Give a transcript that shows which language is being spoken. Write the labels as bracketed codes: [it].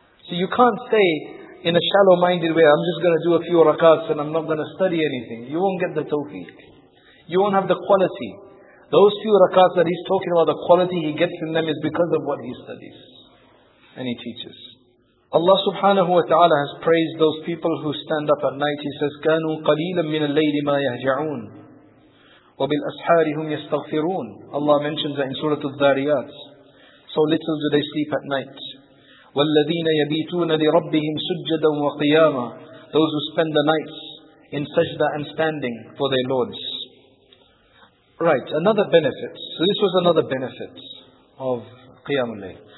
[en] So you can't say in a shallow-minded way, I'm just going to do a few rakats and I'm not going to study anything. You won't get the tawfiq. You won't have the quality. Those few rakats that he's talking about, the quality he gets in them is because of what he studies and he teaches. Allah subhanahu wa ta'ala has praised those people who stand up at night. [ar] He says, كَانُوا قَلِيلًا مِنَ اللَّيْلِ مَا يَهْجَعُونَ وَبِالْأَسْحَارِ هُمْ يَسْتَغْفِرُونَ. [en] Allah mentions that in Surah Al-Dhariyat. So little do they sleep at night. [ar] وَالَّذِينَ يَبِيتُونَ لِرَبِّهِمْ سُجَّدًا وَقِيَامًا. [en] Those who spend the nights in sajda and standing for their lords. Right, another benefit. So this was another benefit of Qiyam al-Layl.